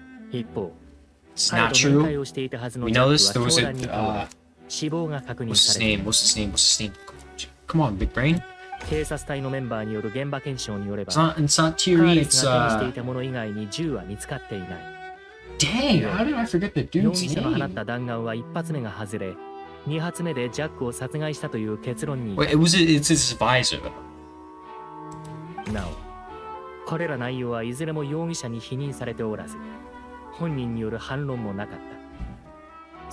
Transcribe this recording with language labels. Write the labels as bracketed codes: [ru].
[ja] 一方、彼と面会をしていたはずのジャックは凶弾に倒れ、死亡が確認されている。 [en] What's his name? What's his name? What's his name? Come on, big brain. [ja] 警察隊のメンバーによる現場検証によれば、カーレスが手にしていた者以外に銃は見つかっていない。 [en] Dang, how did I forget the dude's name? [ja] 1発目が外れ、2発目でジャックを殺害したという結論に。 [en] Wait, it's his visor. [ja] Now, これら内容はいずれも容疑者に否認されておらず、本人による反論もなかった。